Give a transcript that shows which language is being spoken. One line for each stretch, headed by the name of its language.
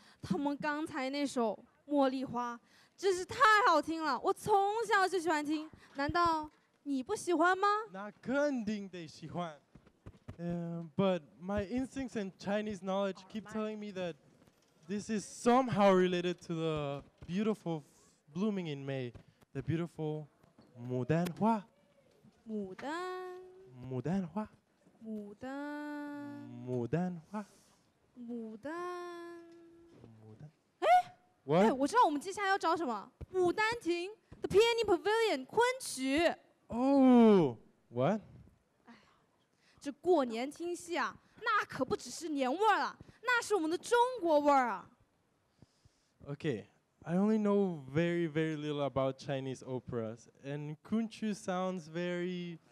Chinese: 我们刚才那首《茉莉花》真是太好听了，我从小就喜欢听，难道你不喜欢吗？那肯定得喜欢。
English: But my instincts and Chinese knowledge keep telling me that this is somehow related to the beautiful blooming in May, the beautiful 牡丹花。
Chinese: 牡丹。牡丹花。牡丹。牡丹花。牡丹。牡丹。哎，我知道我们接下来要找什么，牡丹亭 ，The Peony Pavilion， 昆曲。
English: Oh, what？
Chinese: 这过年听戏啊，那可不只是年味儿了，那是我们的中国味儿啊。
English: Okay, I only know very, very little about Chinese operas, and Kunchu sounds very...